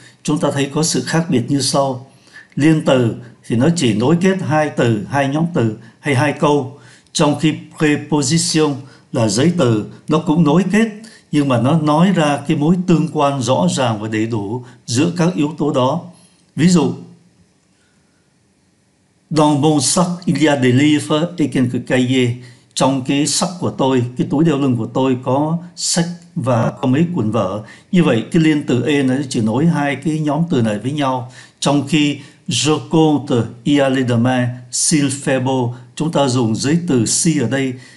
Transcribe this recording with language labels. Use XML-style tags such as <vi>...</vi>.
<vi>Chúng ta thấy có sự khác biệt như sau. Liên từ thì nó chỉ nối kết hai từ, hai nhóm từ hay hai câu, trong khi preposition là giới từ, nó cũng nối kết nhưng mà nó nói ra cái mối tương quan rõ ràng và đầy đủ giữa các yếu tố đó. Ví dụ,</vi> <fr>dans mon sac il y a des livres et quelques cahiers.</fr> <vi>Trong cái sac của tôi, cái túi đeo lưng của tôi có sách và có mấy cuốn vở. Như vậy cái liên từ e này chỉ nối hai cái nhóm từ này với nhau, trong khi</vi> <fr>je compte y aller demain s'il fait beau,</fr> <vi>chúng ta dùng giới từ si ở đây.</vi>